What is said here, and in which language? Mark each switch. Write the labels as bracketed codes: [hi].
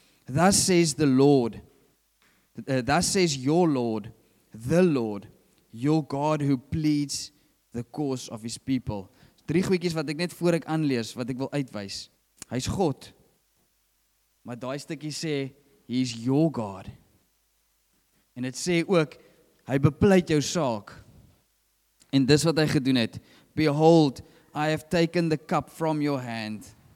[en] Thus says the Lord, thus says your Lord, the Lord, your God who pleads the cause of his people. [af] Drie goedjies wat ek net voor ek aanlees, wat ek wil uitwys. Hy's God. Maar daai stukkie sê, [en] he's your God. [af] En het sê ook, hy bepleit jou saak. En dis wat hy gedoen het. [en] Behold, I have taken the cup from your hand.